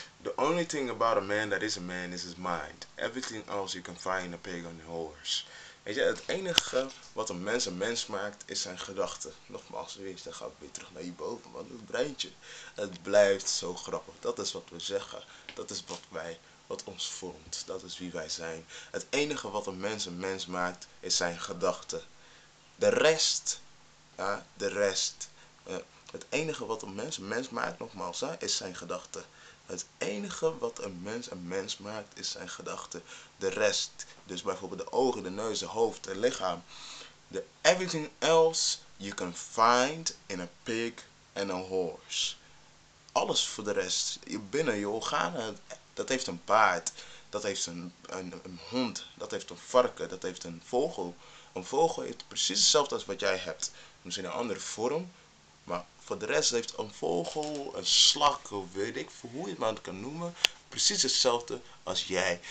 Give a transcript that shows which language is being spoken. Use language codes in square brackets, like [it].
[en] The only thing about a man that is a man is his mind. Everything else you can find in a pagan horse. [nl] Weet je, het enige wat een mens maakt, is zijn gedachten. Nogmaals, weet je, dan ga ik weer terug naar hierboven, want het breintje, het blijft zo grappig. Dat is wat we zeggen, dat is wat wij, wat ons vormt, dat is wie wij zijn. Het enige wat een mens maakt, is zijn gedachten. De rest, ja, de rest. Het enige wat een mens maakt, nogmaals, hè, is zijn gedachten. Het enige wat een mens maakt, is zijn gedachten. De rest, dus bijvoorbeeld de ogen, de neus, de hoofd, het lichaam. [en] The everything else you can find in a pig and a horse. [nl] Alles voor de rest, je binnen, je organen, dat heeft een paard, dat heeft een hond, dat heeft een varken, dat heeft een vogel. Een vogel heeft precies hetzelfde als wat jij hebt, misschien een andere vorm. Maar voor de rest heeft een vogel, een slak, of weet ik hoe je het maar kan noemen, precies hetzelfde als jij.